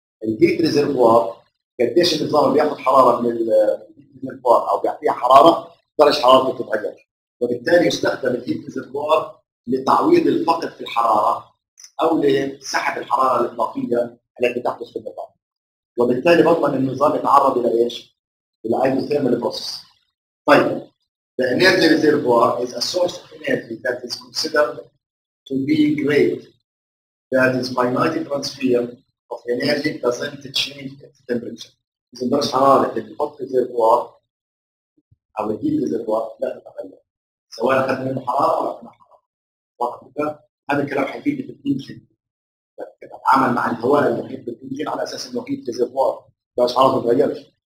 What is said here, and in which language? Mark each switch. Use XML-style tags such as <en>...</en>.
<ar>الهيت ريزرفوار قديش النظام بياخذ حراره من الريزرفوار او بيعطيها حراره، درجه حرارته بتتغير. وبالتالي يستخدم الهيت ريزرفوار لتعويض الفقد في الحراره او لسحب الحراره الاضافيه التي تحدث في النظام. وبالتالي بضمن النظام يتعرض الى ايش؟ الى اي ثيرمال بروسس.</ar> <en>طيب The energy reservoir is a source of energy that is considered to be great. That is, finite transfer of energy doesn't change its temperature.</en> <ar>إذا درجة حرارة الهوت ريزرفوار أو الهيت ريزرفوار لا تتغير. سواء أخذنا منه حرارة أو أخذنا حرارة. وقتها هذا الكلام حيفيد في الإنجن. العمل مع الهواء المحيط بالإنجن على أساس إنه هيت ريزرفوار درجة حرارة ما تتغيرش.</ar>